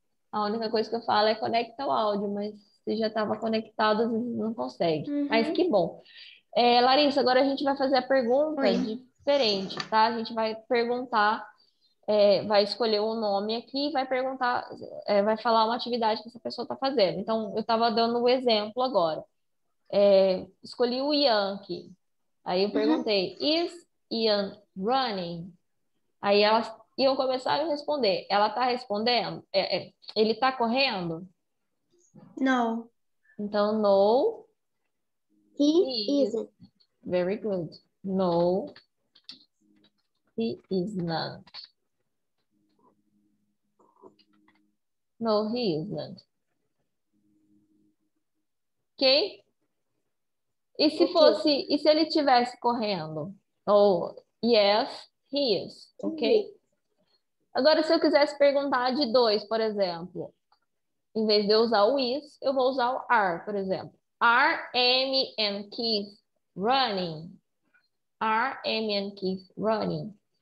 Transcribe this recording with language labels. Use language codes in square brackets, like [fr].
[pt] A única coisa que eu falo é conectar o áudio, mas se já estava conectado, às vezes não consegue. Mas que bom. Larissa, agora a gente vai fazer a pergunta Oi. Diferente, tá? A gente vai perguntar, vai escolher o um nome aqui, vai perguntar, vai falar uma atividade que essa pessoa está fazendo. Então, eu estava dando o um exemplo agora. Escolhi o Ian aqui. Aí eu perguntei, [en] is Ian running? [pt] Aí elas iam começar a responder. Ela está respondendo? Ele está correndo? Não. Então, [en] no. He Is. isn't. Very good. No. He is not. No, he isn't. Ok? Ok. [pt] E se ele estivesse correndo? [en] Oh, yes, he is, ok? [pt] Agora, se eu quisesse perguntar de dois, por exemplo, em vez de eu usar o is, eu vou usar o are, por exemplo. [en] Are Amy and Keith running? Are Amy and Keith running?